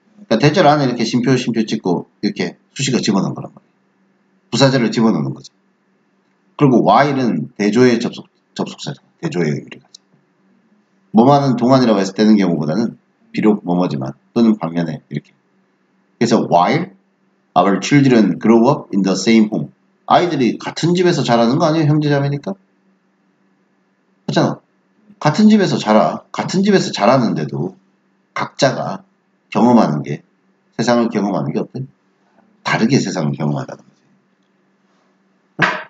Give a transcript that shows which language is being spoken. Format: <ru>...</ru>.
<ko>그러니까 대절 안에 이렇게 쉼표 찍고 이렇게 수식어 집어넣은 거란 말이야. 부사절을 집어넣는 거지. 그리고 while은 대조의 접속사죠. 대조의 의미를 가지고. 뭐만은 동안이라고 해서 되는 경우보다는 비록 뭐뭐지만 또는 반면에 이렇게. 그래서</ko> <en>while our children grow up in the same home.</en> <ko>아이들이 같은 집에서 자라는 거 아니에요? 형제자매니까. 그렇잖아. 같은 집에서 자라. 같은 집에서 자라는데도 각자가 경험하는 게 세상을 경험하는 게 어때? 다르게 세상을 경험하다는 거지.</ko>